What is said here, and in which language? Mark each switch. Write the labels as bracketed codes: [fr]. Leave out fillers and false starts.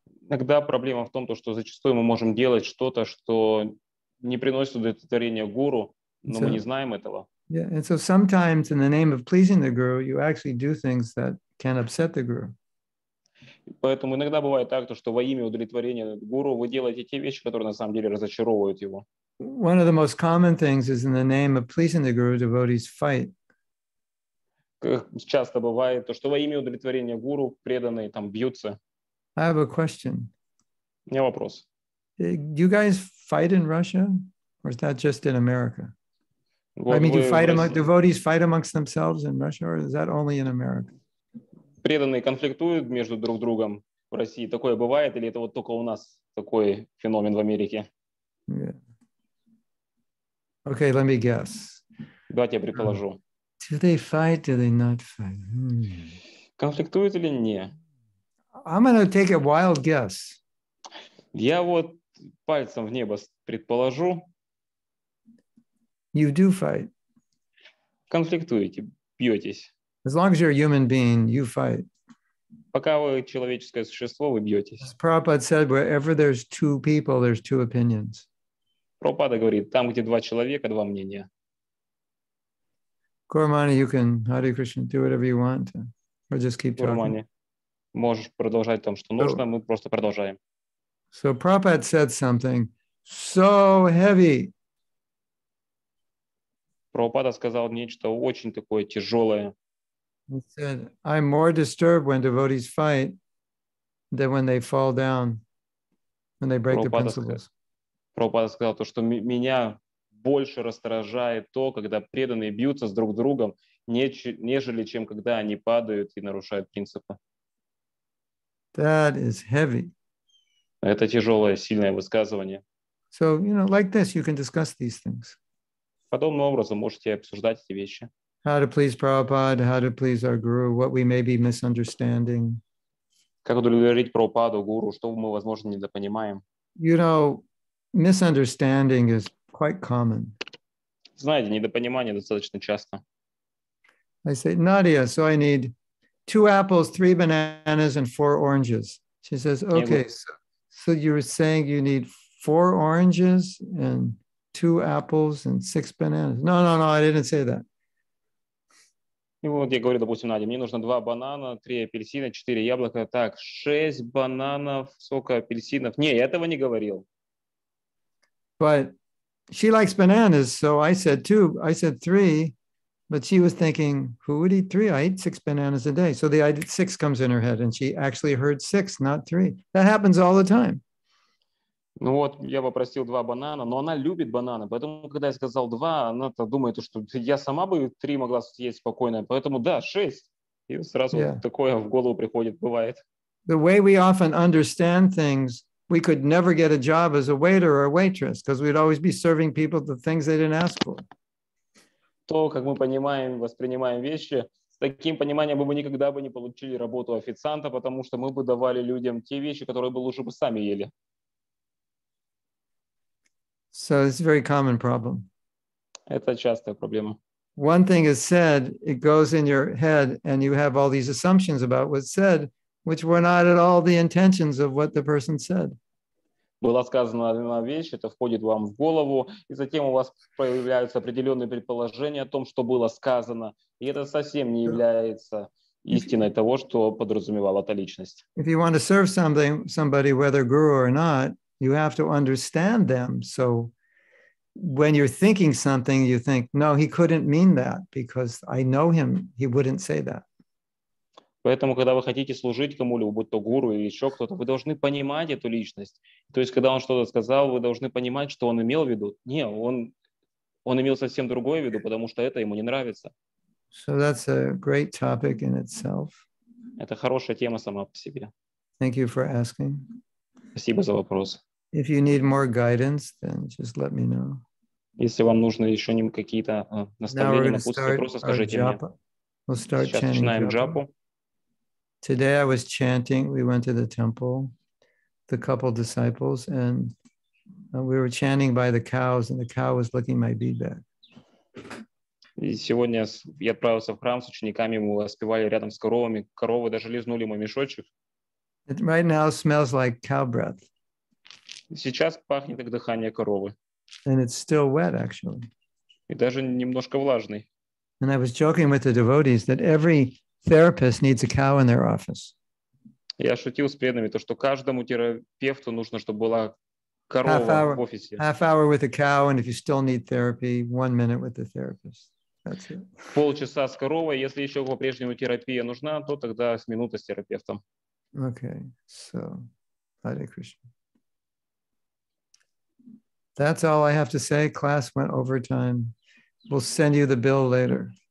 [ru] Иногда проблема в том, что зачастую мы можем делать что-то, что не приносит удовлетворения гуру. Но мы не знаем этого. [en] Yeah, and so sometimes in the name of pleasing the guru, you actually do things that can upset the guru. [ru] Поэтому иногда бывает так, что во имя удовлетворения гуру вы делаете те вещи, которые на самом деле разочаровывают его. [en] One of the most common things is in the name of pleasing the guru, devotees fight. [ru] Часто бывает то, что во имя удовлетворения гуру преданные там бьются. [en] I have a question. [ru] У меня вопрос. [en] Do you guys fight in Russia, or is that just in America? [ru] Вот [en] I mean, do fight among devotees fight amongst themselves in Russia, or is that only in America? [ru] Преданные конфликтуют между друг другом в России. Такое бывает, или это вот только у нас такой феномен в Америке? [en] Yeah. Okay, let me guess. [ru] Давайте я предположу. [en] Do they fight? Do they not fight? [ru] Конфликтуют или не? [en] I'm gonna take a wild guess. [ru] Я вот пальцем в небо предположу. [en] You do fight. [ru] Конфликтуете, бьетесь. [en] As long as you're a human being, you fight. [ru] Пока вы человеческое существо, вы бьетесь. [en] As Prabhupada said, wherever there's two people, there's two opinions. [ru] Прабхупада говорит, там, где два человека, два мнения. [en] Гурмани, you can, Hare Krishna, do whatever you want. Or just keep talking. [ru] Гурмани, можешь продолжать там, что нужно, мы просто продолжаем. [en] So Prabhupada said something so heavy. [ru] Прабхупада сказал нечто очень такое тяжелое. [en] He said, I'm more disturbed when devotees fight than when they fall down, when they break the principles. [ru] Прабхупада сказал то, что меня больше раздражает то, когда преданные бьются с друг другом, нежели чем когда они падают и нарушают принципы. [en] That is heavy. [ru] Это тяжелое, сильное высказывание. [en] So, you know, like this, you can discuss these things. [ru] Подобным образом можете обсуждать эти вещи. [en] How to please Prabhupada, how to please our guru, what we may be misunderstanding. [ru] Как удовлетворить Прабхупаду, гуру, что мы, возможно, недопонимаем. [en] You know, misunderstanding is quite common. [ru] Знаете, недопонимание достаточно часто. [en] I say, Nadia, so I need two apples, three bananas, and four oranges. She says, okay, so you were saying you need four oranges and two apples and six bananas. No, I didn't say that. [ru] И вот я говорю, допустим, Надя, мне нужно два банана, три апельсина, четыре яблока. Так, шесть бананов, сколько апельсинов. Не, я этого не говорил. [en] But she likes bananas, so I said two, I said three. But she was thinking, who would eat three? I eat six bananas a day. So the idea six comes in her head, and she actually heard six, not three. That happens all the time. [ru] Ну вот, я попросил два банана, но она любит бананы, поэтому, когда я сказал два, она-то думает, что я сама бы три могла съесть спокойно, поэтому да, шесть. И сразу [en] yeah. [ru] Такое в голову приходит, бывает. [en] The way we often understand things, we could never get a job as a waiter or a waitress, because we'd always be serving people the things they didn't ask for. [ru] То, как мы понимаем, воспринимаем вещи, с таким пониманием мы бы никогда бы не получили работу официанта, потому что мы бы давали людям те вещи, которые бы лучше бы сами ели. [en] So it's a very common problem. [ru] Это частая проблема. [en] One thing is said, it goes in your head, and you have all these assumptions about what's said, which were not at all the intentions of what the person said. [ru] Была сказана одна вещь, это входит вам в голову, и затем у вас появляются определенные предположения о том, что было сказано, и это совсем не является истиной того, что подразумевала та личность. [en] If you want to serve somebody, whether guru or not, you have to understand them. So when you're thinking something, you think, no, he couldn't mean that because I know him, he wouldn't say that. [ru] Поэтому, когда вы хотите служить кому-либо, будь то гуру или еще кто-то, вы должны понимать эту личность. То есть, когда он что-то сказал, вы должны понимать, что он имел в виду. Не, он имел совсем другое в виду, потому что это ему не нравится. [en] So that's a great topic in itself. [ru] Это хорошая тема сама по себе. [en] Thank you for asking. [ru] Спасибо за вопрос. [en] If you need more guidance, then just let me know. [ru] Если вам нужно еще какие-то наставления, напутствия, просто скажите [en] japa. [ru] Мне. [en] We'll start [ru] Сейчас [en] chanting [ru] начинаем джапу. [en] Today I was chanting. We went to the temple, the couple disciples, and we were chanting by the cows, and the cow was licking my beadbag. [ru] И сегодня я отправился в храм с учениками, мы воспевали рядом с коровами, коровы даже лизнули мой мешочек. [en] It right now smells like cow breath. [ru] Сейчас пахнет как дыхание коровы. [en] And it's still wet, actually. [ru] И даже немножко влажный. [en] And I was joking with the devotees that every therapist needs a cow in their office. [ru] Я шутил с преданными, то, что каждому терапевту нужно, чтобы была корова [en] half-hour, [ru] в офисе. [en] Half hour with a cow, and if you still need therapy, one minute with the therapist. That's it. [ru] Полчаса с коровой, если еще по-прежнему терапия нужна, то тогда с минуты с терапевтом. [en] Okay, so, Hare Krishna. That's all I have to say. Class went over time. We'll send you the bill later.